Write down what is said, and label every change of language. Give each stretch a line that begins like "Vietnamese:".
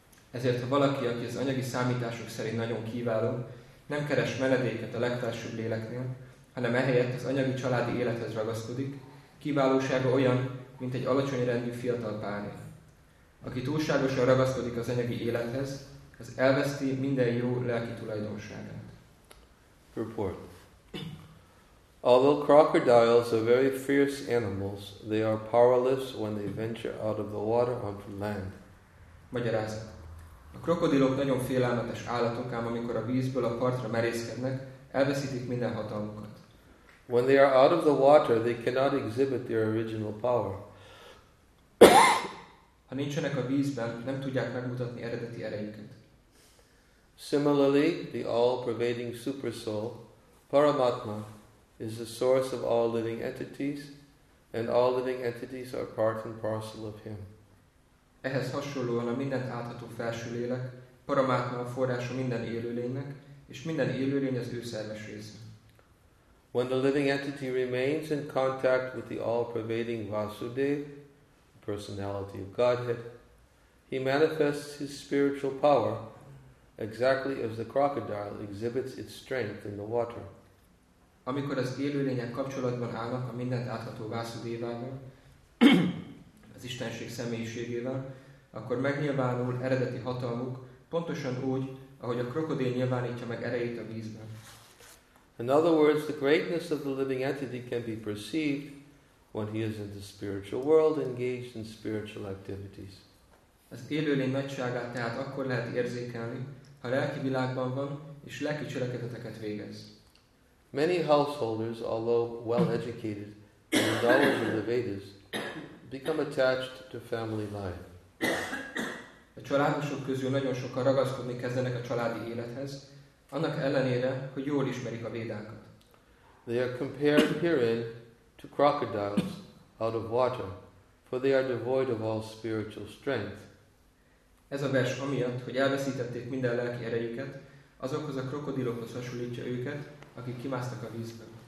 Hungarian: Ezért, ha valaki, aki az anyagi számítások szerint nagyon kiváló, nem keres menedéket a legfelsőbb léleknél, hanem ehelyett az anyagi családi élethez ragaszkodik, kiválósága olyan, mint egy alacsony rendű fiatal párnő. Aki túlságosan ragaszkodik az anyagi élethez, az elveszti minden jó lelki tulajdonságát.
English: Purport. Although crocodiles are very fierce animals, they are powerless when they venture out of the water onto land.
Hungarian: Magyarázat. A krokodilok nagyon félelmetes állatok, ám amikor a vízből a partra merészkednek, elveszítik minden hatalmukat.
English: When they are out of the water, they cannot exhibit their original power.
Hungarian: Ha nincsenek a vízben, nem tudják megmutatni eredeti erejüket.
English: Similarly, the all-pervading Supersoul, Paramatma, is the source of all living entities, and all living entities are part and parcel of him.
Hungarian: Ehhez hasonlóan a mindent átható felső lélek, Paramatma a forrása minden élőlénynek, és minden élőlény az ő szerves része.
English: When the living entity remains in contact with the all-pervading Vasudeva, the personality of Godhead, he manifests his spiritual power exactly as the crocodile exhibits its strength in the water.
Hungarian: Amikor az élőlények kapcsolatban állnak a mindent átható Vasudevával, az Istenség személyiségével, akkor megnyilvánul eredeti hatalmuk pontosan úgy, ahogy a krokodil nyilvánítja meg erejét a vízben.
English: In other words, the greatness of the living entity can be perceived when he is in the spiritual world engaged in spiritual activities.
Hungarian: Az élőlény nagyságát tehát akkor lehet érzékelni, ha lelki világban van és lelki cselekedeteket végez.
English: Many householders, although well educated and knowledgeable of the Vedas, become attached to family life.
Hungarian: A családosok közül nagyon sokan ragaszkodni kezdenek a családi élethez, annak ellenére, hogy jól ismerik a védákat.
English: They are compared herein to crocodiles out of water, for they are devoid of all spiritual strength.
Hungarian: Ez a vers amiatt, hogy elveszítették minden lelki erejüket, azokhoz a krokodilokhoz hasonlítja őket, akik kimásztak a vízből.